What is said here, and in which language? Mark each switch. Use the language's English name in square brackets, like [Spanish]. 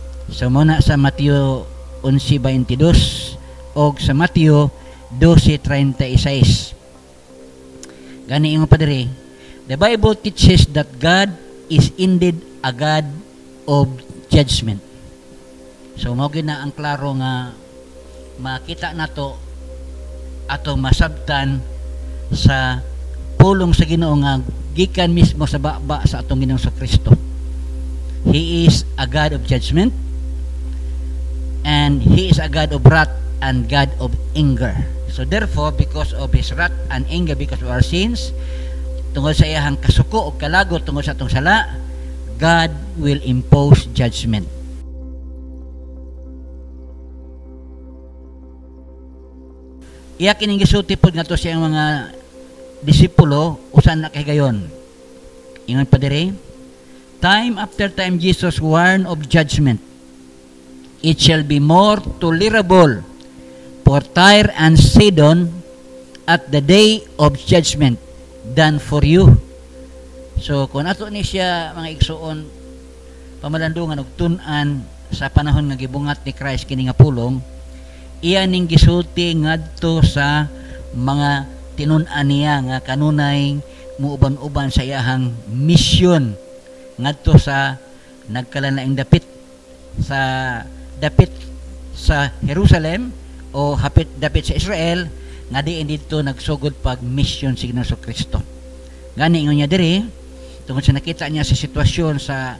[Cebuano] So muna sa Matthew 11:22 og sa Matthew 12:36. Gani ingon pa diri, [English] the Bible teaches that God is indeed a God of judgment. [Cebuano] So mogi na ang klaro nga makita nato ato masabtan sa pulong sa Ginoo nga gikan mismo sa baba sa atong Ginoong Kristo. [English] He is a God of judgment and he is a God of wrath and God of anger. So therefore, because of his wrath and anger because of our sins, [Cebuano] tungod sa iyang kasuko o kalago tungod sa atong sala, [English] God will impose judgment. [Cebuano] Iya kining gisulti pud ngadto sa iyang mga disipulo usan na kay gayon. Ingon pa diri, [English] time after time Jesus warned of judgment. It shall be more tolerable for Tyre and Sidon at the day of judgment than for you. [Cebuano] So kun ato ni siya mga igsuon pamalandungan og tun-an sa panahon nga gibungat ni Christ kini nga pulong, iya ning gisulti ngadto sa mga tinun-an niya nga kanunay muuban-uban sa iyang mission ngadto sa nagkalanaing dapit sa Jerusalem o hapit dapit sa Israel nga diin dito nagsugod pag mission si Ginoo Kristo. Gani ingon niya diri tungod sa nakita niya sa sitwasyon sa